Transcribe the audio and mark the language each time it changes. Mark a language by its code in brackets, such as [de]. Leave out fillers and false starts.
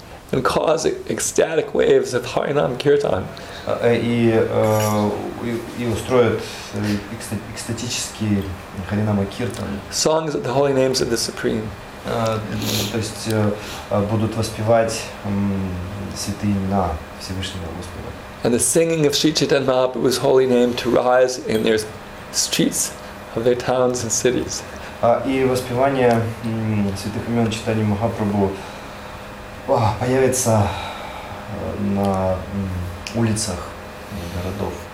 [en] And cause ecstatic waves of Harinam Kirtan. [ru] И устроят экстатические Харинама Киртан. [en] Songs of the holy names of the Supreme. [ru] То есть будут воспевать святые имена Всевышнего Господа. [en] And the singing of Sri Chaitanya Mahaprabhu's holy name to rise in their streets of their towns and cities. [ru] И воспевание святых имен Чайтаньи Махапрабху появится на улицах городов.